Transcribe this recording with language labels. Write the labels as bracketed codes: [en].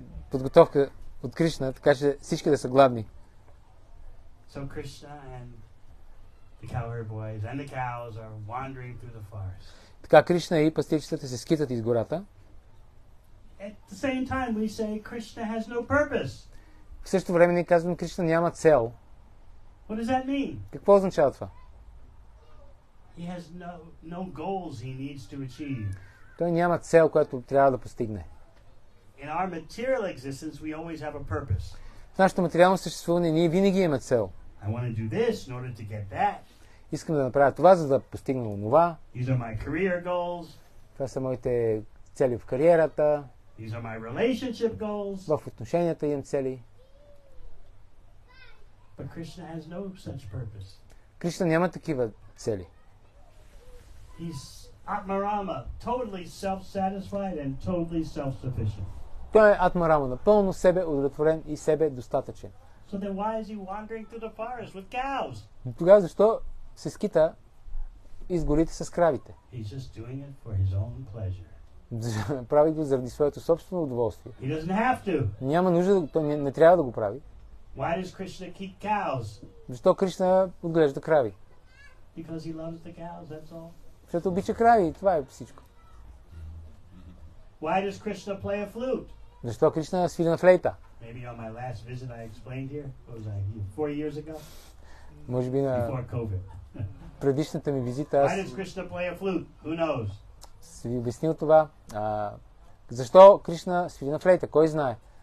[bg] Подготовка от Кришна, така че всички да са гладни. [en] So Krishna and the cowherd boys and the cows are wandering through the forest. [bg] Така Кришна и пастирчетата се скитат из гората. [en] At the same time we say Krishna has no purpose. [bg] В същото време ние казваме Кришна няма цел. [en] What does that mean? [bg] Какво означава това? [en] He has no goals he needs to achieve. [bg] Той няма цел, която трябва да постигне. [en] In our material existence we always have a purpose. [bg] В нашето материално съществуване ние винаги имаме цел. [en] I want to do this in order to get that. [bg] Искам да направя това, за да постигна онова. [en] These are my career goals. [bg] Това са моите цели в кариерата. [en] These are my relationship goals. [bg] В отношенията имам цели. [en] But Krishna has no such purpose. [bg] Кришна няма такива цели. [en] He's Атмарама, totally self-satisfied and totally self-sufficient. [bg] Той е Атмарама, напълно себе удовлетворен и себе достатъчен. [en] So then why is he wandering through the forest with cows? [bg] Тогава защо се скита из горите с кравите? [en] He's just doing it for his own pleasure. [bg] Прави го заради своето собствено удоволствие. [en] He doesn't have to. [bg] Няма нужда, той не трябва да го прави. [en] Why does Krishna keep cows? [bg] Защо Кришна отглежда крави? [en] Because he loves the cows, that's all. [bg] Защото обича крави и това е всичко. [en] Why does Krishna play a flute? [bg] Защо Кришна свири на флейта? [en] Maybe on my last visit I explained here. What was I? 4 years ago? [bg] Може би на [en] before COVID. [bg] Предишната ми визита. [en] Why does Krishna play a flute? Who knows? [bg] Си ви обяснил това. Защо Кришна свири на флейта? Кой знае?